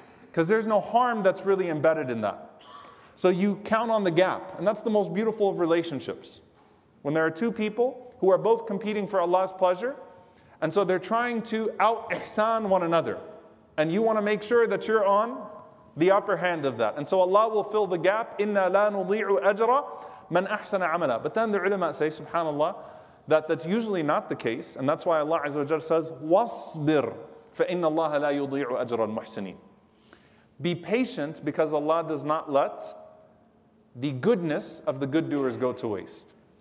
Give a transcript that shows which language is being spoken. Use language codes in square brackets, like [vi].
[en] Because there's no harm that's really embedded in that. So you count on the gap, and that's the most beautiful of relationships. When there are two people who are both competing for Allah's pleasure, and so they're trying to out ihsan one another, and you want to make sure that you're on the upper hand of that. And so Allah will fill the gap. [ar] إِنَّا لَا نُضِيعُ أَجْرَ مَنْ أَحْسَنَ عَمَلًا. [en] But then the ulama say, subhanAllah, that's usually not the case. And that's why Allah Azza wa Jalla says, [ar] وَاصْبِرْ فَإِنَّ اللَّهَ لَا يُضِيعُ أَجْرَ الْمُحْسِنِينَ. [en] Be patient, because Allah does not let the goodness of the good doers go to waste.